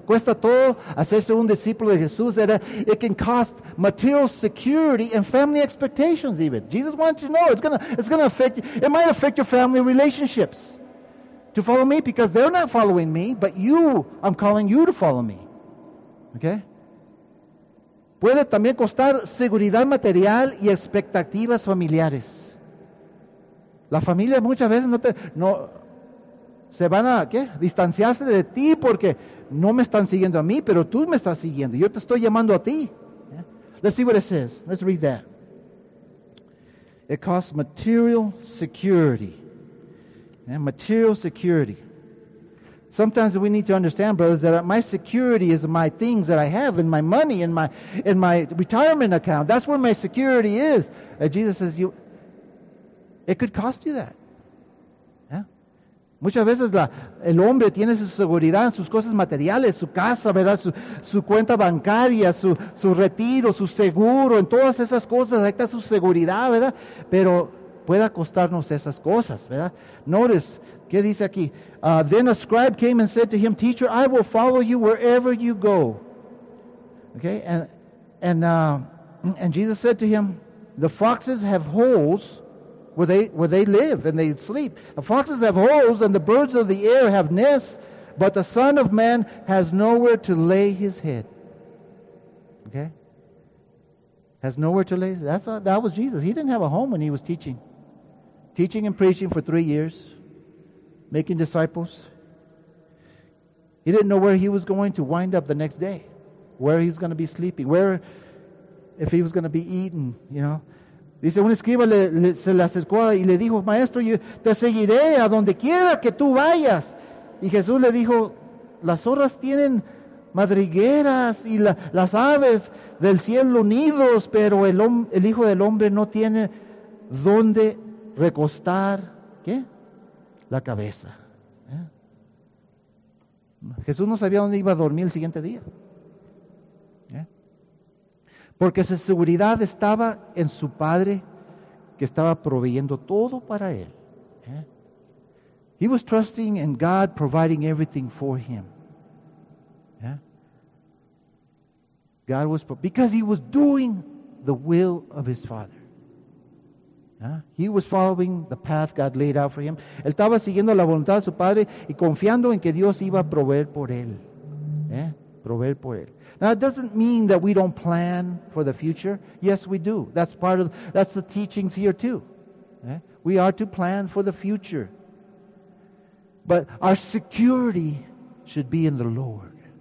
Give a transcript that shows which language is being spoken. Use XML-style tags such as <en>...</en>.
<es>Cuesta todo hacerse un discípulo de Jesús.</es> <en>It can cost material security and family expectations even. Jesus wants you to know it's gonna affect you. It might affect your family relationships to follow me because they're not following me, but I'm calling you to follow me. Okay?</en> <es>Puede también costar seguridad material y expectativas familiares. La familia muchas veces no se van a ¿qué? Distanciarse de ti porque no me están siguiendo a mí, pero tú me estás siguiendo. Yo te estoy llamando a ti.</es> <en>Let's see what it says. Let's read that. It costs material security. Yeah, material security. Sometimes we need to understand, brothers, that my security is my things that I have and my money and my retirement account. That's where my security is. Jesus says, it could cost you that. Yeah?</en> <es>Muchas veces el hombre tiene su seguridad, sus cosas materiales, su casa, ¿verdad? Su cuenta bancaria, su retiro, su seguro, en todas esas cosas, ahí está su seguridad, ¿verdad? Pero puede costarnos esas cosas, ¿verdad?</es> <en>Notice,</en> <es>¿qué dice aquí?</es> <en>Then a scribe came and said to him, Teacher, I will follow you wherever you go. Okay? And Jesus said to him, the foxes have holes where they live and they sleep. The foxes have holes and the birds of the air have nests, but the Son of Man has nowhere to lay his head. Okay? Has nowhere to lay his head. That was Jesus. He didn't have a home when he was teaching. Teaching and preaching for 3 years, making disciples. He didn't know where he was going to wind up the next day, where he's going to be sleeping, where, if he was going to be eaten, you know.</en> <es>Dice, un escriba se le acercó y le dijo, Maestro, yo te seguiré a donde quiera que tú vayas. Y Jesús le dijo, las zorras tienen madrigueras y las aves del cielo nidos, pero el Hijo del Hombre no tiene donde recostar, ¿qué? La cabeza. ¿Eh? Jesús no sabía dónde iba a dormir el siguiente día. ¿Eh? Porque su seguridad estaba en su Padre que estaba proveyendo todo para él.</es> <en>¿Eh? He was trusting in God providing everything for him. ¿Eh? God was, because he was doing the will of his Father. He was following the path God laid out for him.</en> <es>Él estaba siguiendo la voluntad de su padre y confiando en que Dios iba a proveer por él. ¿Eh? Proveer por él.</es> <en>Now, it doesn't mean that we don't plan for the future. Yes, we do. That's the teachings here too. ¿Eh? We are to plan for the future. But our security should be in the Lord.</en>